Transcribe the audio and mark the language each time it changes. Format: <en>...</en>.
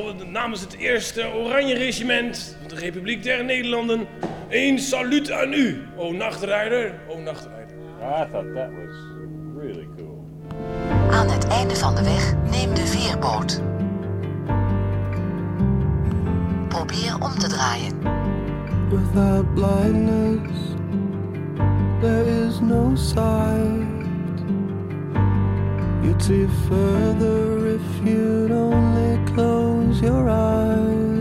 <nl>Namens het eerste Oranje Regiment van de Republiek der Nederlanden, een salut aan u, o nachtrijder, o nachtrijder.</nl> <en>I thought that was really cool.</en> <nl>Aan het einde van de weg neem de veerboot. Probeer papier om te draaien.</nl> <en>Without blindness, there is no sight. You'd see further if you'd only close your eyes.</en>